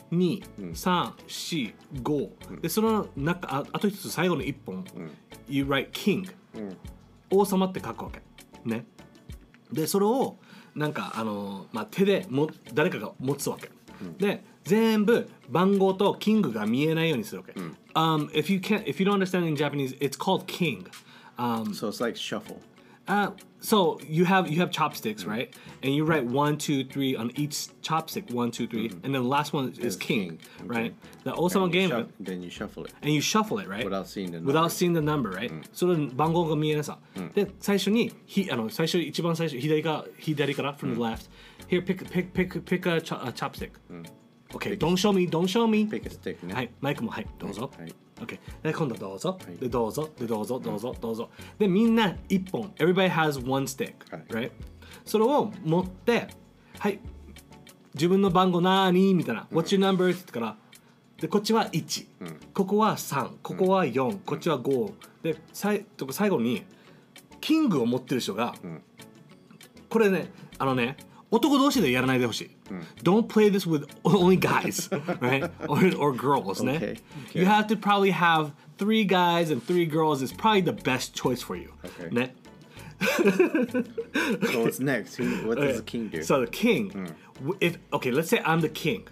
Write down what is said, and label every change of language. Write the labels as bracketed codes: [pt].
[ja] 2345、うん、でその中 あと1つ最後の1本、うん、 [en] You write King、 [ja] うん、王様って書くわけね、でそれをなんか、まあ、手でも誰かが持つわけ、うん、で全部番号とキングが見えないようにするわけ、うん、 [en] If you can't, if you don't understand in Japanese, it's called King、 So it's like shuffle So you have chopsticks, right? And you write 1, 2, 3 on each chopstick, 1, 2, 3, and then the last one is king, right? The Osama game. Then you shuffle it. And you shuffle it, right? Without seeing the number. Without seeing the number, right? So the [ja] 番号が見えないさ。で最初に最初一番最初左から [en] from the left. Here, pick a chopstick. Okay, don't show me. Pick a stick. [ja] はい、マイクもはい、どうぞ。 Okay. 今度はどうぞ、はい、でどうぞ、でどうぞ、どうぞ、どうぞ、でみんな一本、 [en] Everybody has one stick、 [ja] はい、 right? それを持って、はい、自分の番号なーにみたいな、うん、 [en] What's your number? [ja] って言ったから、でこっちは1、うん、ここは3、ここは4、うん、こっちは5、で最後に、キングを持ってる人が、うん、これね、あのね、男同士でやらないでほしい。 Mm. [en] Don't play this with only guys, right? Or girls, okay. [ja] ne? [en] You have to probably have 3 guys and 3 girls is probably the best choice for you. Okay. [ja] Ne? [en] So what's next? What does the king do? So the king, okay, let's say I'm the king.